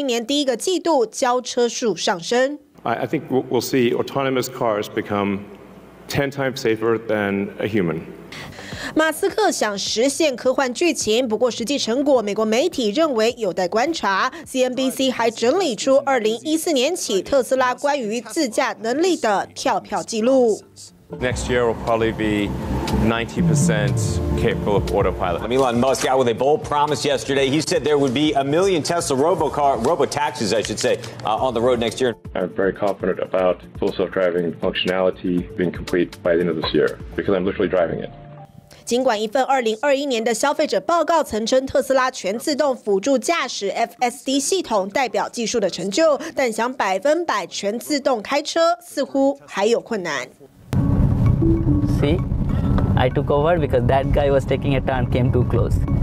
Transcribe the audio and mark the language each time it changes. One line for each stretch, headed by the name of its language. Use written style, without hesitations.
Chinese: 特斯拉第三季的营收超出预期，来到256.82亿美元，期间更交出46万2890辆的电动车，季增长6.4%，这也是特斯拉今年第一个季度交车数上升。
English: I think we'll see autonomous cars become 10 times safer than a human.
Chinese: 马斯克想实现科幻剧情，不过实际成果，美国媒体认为有待观察。CNBC 还整理出2014年起特斯拉关于自驾能力的跳票记录。
English: Next year will probably be 90% capable of autopilot. Elon Musk out with a bold promise yesterday. He said there would be a million Tesla robo taxis, I should say, on the road next year. I'm very confident about full self-driving functionality being complete by the end of this year because I'm literally driving it.
Chinese: 尽管一份2021年的消费者报告曾称特斯拉全自动辅助驾驶 FSD 系统代表技术的成就，但想100%全自动开车似乎还有困难。
English: See, I took over because that guy was taking a turn, came too close.